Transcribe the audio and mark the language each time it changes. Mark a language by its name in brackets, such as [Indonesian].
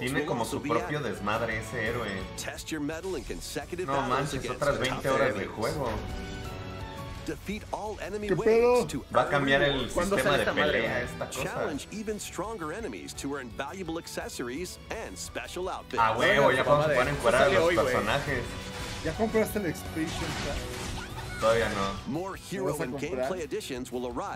[Spanish] Tiene como su propio desmadre ese héroe. [English] Test your metal in consecutive battles. [Spanish] No manches, otras 20 horas de juego. Defeat all enemy waves to [English] earn. [Spanish] Va a cambiar el sistema de pelea esta cosa. [English] Challenge even stronger enemies to earn valuable accessories and special outfits. [Spanish] Ah, huevo, ya vamos a poder encuadrar los personajes. ¿Ya compraste el Expedition? Todavía no. [English] More hero and gameplay additions will arrive.